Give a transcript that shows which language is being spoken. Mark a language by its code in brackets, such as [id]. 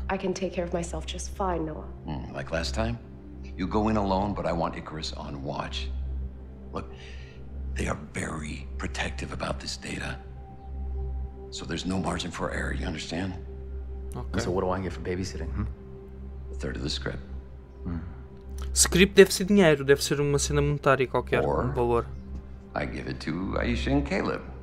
[en] I can take care of myself just fine, Noah. Like last time? You go in alone, but I want Icarus on watch. Look, they are very protective about this data. So there's no margin for error, you understand? Okay. So what do I get for babysitting, hmm? A third of the script. [pt] Script deve ser dinheiro, deve ser uma cena monetária qualquer, [en] or, [pt] um valor. [en] I give it to Aisha and Caleb.